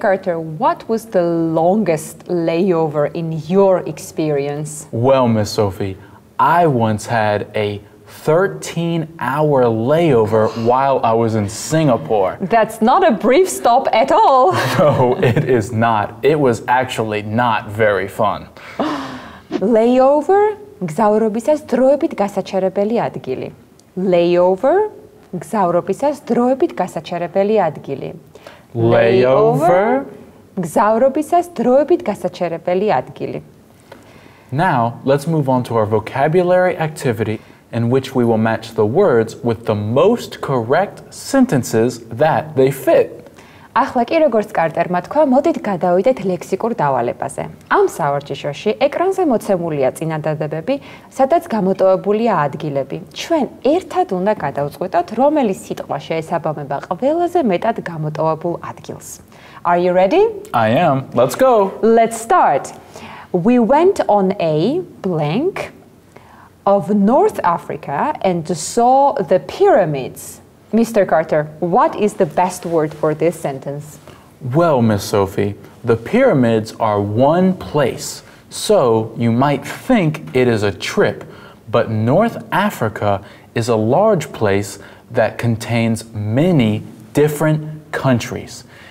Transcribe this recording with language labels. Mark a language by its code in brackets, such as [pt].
[en] Carter, what was the longest layover in your experience? Well, Miss Sophie, I once had a 13-hour layover while I was in Singapore. That's not a brief stop at all. No, it is not. It was actually not very fun. [ka] Layover, მგზავრობისას დროებით გასაჩერებელი ადგილი. Layover, მგზავრობისას დროებით გასაჩერებელი ადგილი. [en] Layover, [ka] მგზავრობისას დროებით გასაჩერებელი ადგილი. [en] Now, let's move on to our vocabulary activity, in which we will match the words with the most correct sentences that they fit. [ka] ახლა კი, როგორც კარტერმა თქვა, მოდით გადავიდეთ ლექსიკურ დავალებაზე. ამ სავარჯიშოში ეკრანზე მოცემულია წინადადებები, სადაც გამოტოვებულია ადგილები. ჩვენ ერთად უნდა გადავწყვიტოთ, რომელი სიტყვა შეესაბამება ყველაზე მეტად გამოტოვებულ ადგილს. [en] Are you ready? I am. Let's go. Let's start. We went on a blank of North Africa and saw the pyramids. Mr. Carter, what is the best word for this sentence? Well, Miss Sophie, the pyramids are one place, so you might think it is a trip, but North Africa is a large place that contains many different countries.